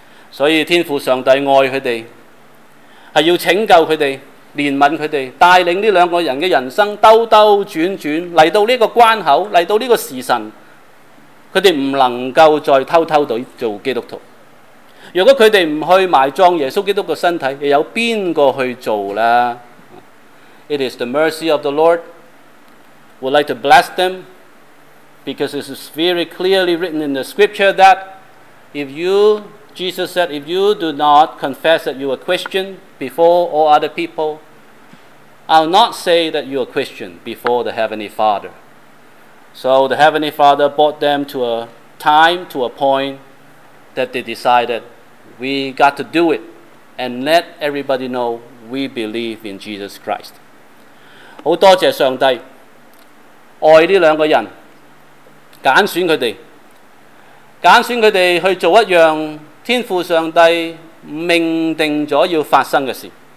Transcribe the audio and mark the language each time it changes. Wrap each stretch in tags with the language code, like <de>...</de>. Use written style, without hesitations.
<zh>所以天父上帝爱他们，是要拯救他们，怜悯他们，带领这两个人的人生兜兜转转来到这个关口，来到这个时辰，他们不能够再偷偷地做基督徒。如果他们不去埋葬耶稣基督的身体，又有谁去做呢？</zh> <en>It is the mercy of the Lord. We'd like to bless them because this is very clearly written in the scripture that Jesus said, if you do not confess that you are Christian before all other people, I'll not say that you are Christian before the Heavenly Father. So the Heavenly Father brought them to a time, to a point that they decided we got to do it and let everybody know we believe in Jesus Christ.</en> <zh>好多谢上帝爱这两个人，拣选他们，拣选他们去做一样天父上帝命定了要发生的事。</zh>